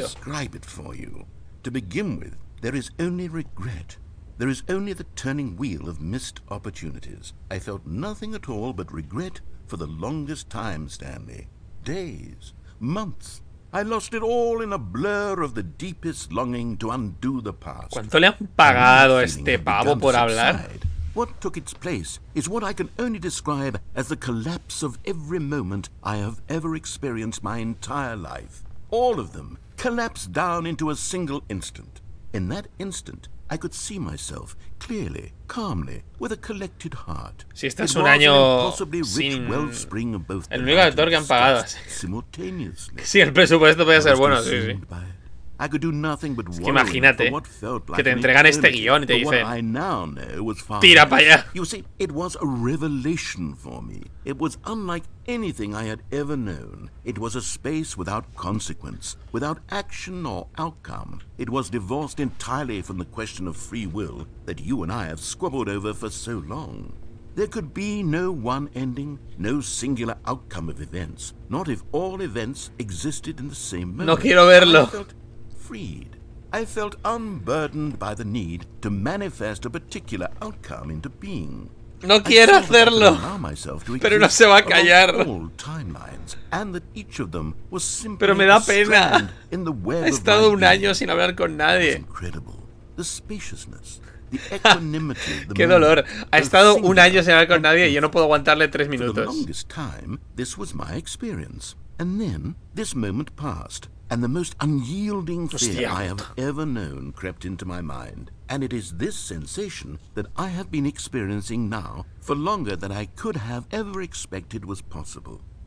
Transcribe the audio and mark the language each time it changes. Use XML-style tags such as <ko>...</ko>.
<en>describe it for you. To begin with, there is only regret. There is only the turning wheel of missed opportunities. I felt nothing at all but regret for the longest time, Stanley. Days, months. I lost it all in a blur of the deepest longing to undo the past.</en> <es>¿Cuánto le han pagado a este pavo por hablar?</es> <en>What took its place is what I can only describe as the collapse of every moment I have ever experienced my entire life. All of them collapsed down into a single instant. In that instant, I could see myself clearly, calmly, with a collected heart.</en> <es>Si este es un año sin el único actor que han pagado.</es> <en>Simultaneously.</en> <es>Si el presupuesto puede ser bueno, sí, sí.</es> <en>I could do nothing but</en> <es>es que imagínate</es> <en>what felt like</en> <es>que te entregan este guión y te dicen tira para allá.</es> <en>You see, it was a revelation for me. It was unlike anything I had ever known. It was a space without consequence, without action or outcome. It was divorced entirely from the question of free will that you and I have squabbled over for so long. There could be no one ending, no singular outcome of events, not if all events existed in the same moment.</en> <es>No quiero verlo.</es> <en>Freed. I felt unburdened by the need to manifest a particular outcome into being.</en> <es>No quiero hacerlo. Pero no se va a callar.</es> <en>All timelines, and that each of them was simply.</en> <es>Pero me da pena. Ha estado un año sin hablar con nadie.</es> <en>Incredible. The spaciousness. The equanimity.</en> <es>Qué dolor. Ha estado un año sin hablar con nadie y yo no puedo aguantarle tres minutos.</es> <en>For the longest time, this was my experience, and then this moment passed. And the most unyielding fear</en> <es>Hostia.</es> <en>I have ever known crept into my mind. And it is this sensation that I have been experiencing now for longer than I could have ever expected was possible.</en>